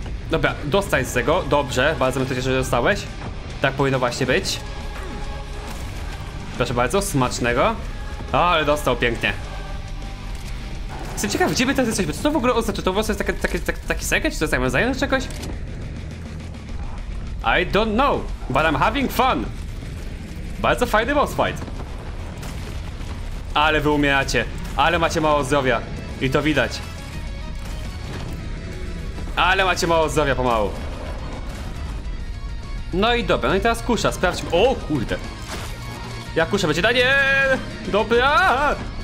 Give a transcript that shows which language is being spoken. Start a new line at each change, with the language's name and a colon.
Polish: Dobra, dostań z tego. Dobrze, bardzo mnie to cieszę, że dostałeś. Tak powinno właśnie być. Proszę bardzo, smacznego. O, ale dostał pięknie. Jestem ciekaw, gdzie my teraz jesteśmy? Co to w ogóle oznacza? To w ogóle jest taki sekret? Czy to zajmę zajęć czegoś?
English: I don't know, but I'm having fun.
Polish: Bardzo fajny boss fight. Ale wy umieracie. Ale macie mało zdrowia. I to widać. Ale macie mało zdrowia pomału. No i dobra, no i teraz kusza, sprawdźmy. O kurde. Jak kusza będzie? Daniel! Dobra!